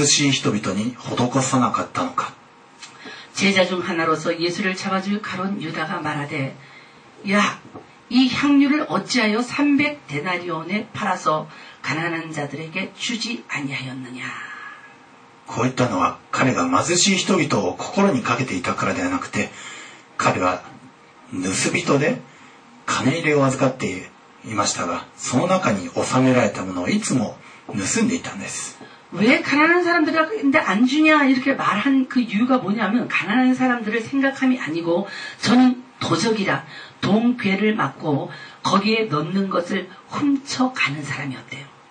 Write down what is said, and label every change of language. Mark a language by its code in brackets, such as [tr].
[ja] そしてこういうふうに言います。なぜこの香油を300デナリに売って貧しい人々に施さなかったのか? [ko] 제자 중 하나로서 예수를 잡아줄 가론 유다가 말하되, 야, 이 향유를 어찌하여 300데나리온에 팔아서 가난한 자들에게 주지 아니하였느냐? [ja] こういったのは彼が貧しい人々を心にかけていたからではなくて彼は盗人で金入れを預かっていましたがその中に収められたものをいつも盗んでいたんです。 [ko] 왜 가난한 사람들한테 안 주냐 이렇게 말한 그 이유가 뭐냐면 가난한 사람들을 생각함이 아니고 저는 도적이라 동괴를 맞고 거기에 넣는 것을 훔쳐가는 사람이었대요.